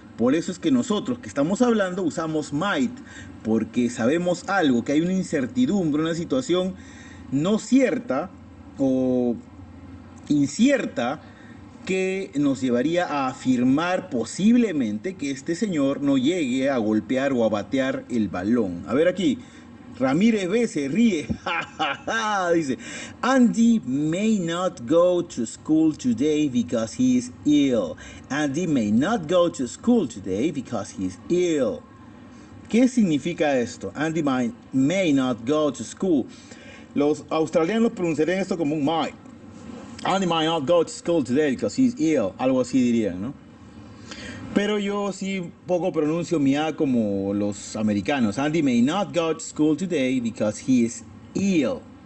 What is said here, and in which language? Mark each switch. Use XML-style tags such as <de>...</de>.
<es>Por eso es que nosotros que estamos hablando usamos might, porque sabemos algo, que hay una incertidumbre, una situación no cierta o incierta que nos llevaría a afirmar posiblemente que este señor no llegue a golpear o a batear el balón. A ver aquí. Ramírez B se ríe, dice,</es> <en>Andy may not go to school today because he is ill. Andy may not go to school today because he is ill.</en> <es>¿Qué significa esto?</es> <en>Andy may not go to school.</en> <es>Los australianos pronunciarían esto como un might.</es> <en>Andy may not go to school today because he is ill.</en> <es>Algo así dirían, ¿no? Pero yo sí poco pronuncio mi A como los americanos.</es> <en>Andy may not go to school today because he is ill.</en>